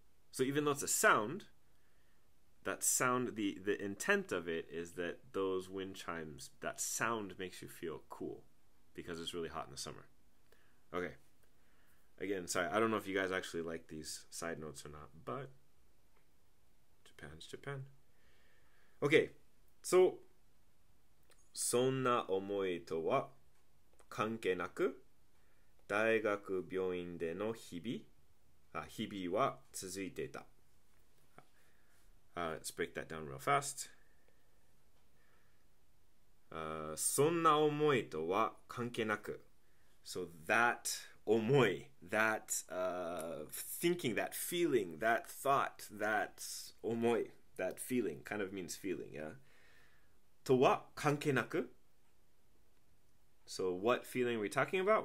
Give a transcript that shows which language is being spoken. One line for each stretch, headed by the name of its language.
English: So even though it's a sound, that sound, the intent of it is that those wind chimes, that sound makes you feel cool because it's really hot in the summer. Okay. Again, sorry, I don't know if you guys actually like these side notes or not, but Japan's Japan. Okay.
Japanese: そんな思いとは関係なく、大学病院での日々は続いていた。
English: Let's break that down real fast.
Japanese: そんな思いとは関係なく。
English: So that 思い、that thinking, that feeling, that thought, that 思い、that feeling kind of means feeling, yeah?
Japanese: とは関係なく。
English: So what feeling are we talking about?